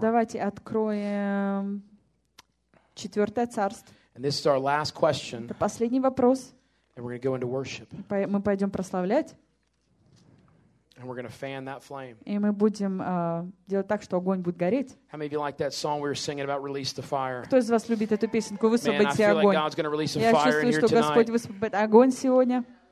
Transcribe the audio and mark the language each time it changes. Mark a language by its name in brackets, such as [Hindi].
[Russian] Давайте откроем 4 Царство. [English] And this is our last question. [Russian] Это последний вопрос. [English] And we're going to go into worship. [Russian] Мы пойдем прославлять. [English] And we're going to fan that flame. [Russian] И мы будем делать так, что огонь будет гореть. [English] How many of you like that song we were singing about release the fire? [Russian] Кто из вас любит эту песенку «Высвободите огонь»? [English] Man, I feel like God's going to release some fire in here tonight. [Russian] Я чувствую, что Господь высвободит огонь сегодня.